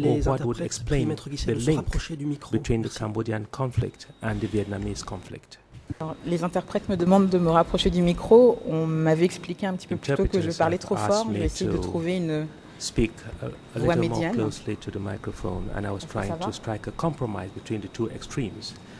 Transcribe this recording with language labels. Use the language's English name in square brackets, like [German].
[English] what would explain the link between the Cambodian conflict and the Vietnamese conflict? [French] Les interprètes me demandent de me rapprocher du micro. On m'avait expliqué un petit peu plus tôt que je parlais trop fort. J'ai essayé de trouver une [English] speak a little more closely to the microphone, and I was trying to strike a compromise between the two extremes.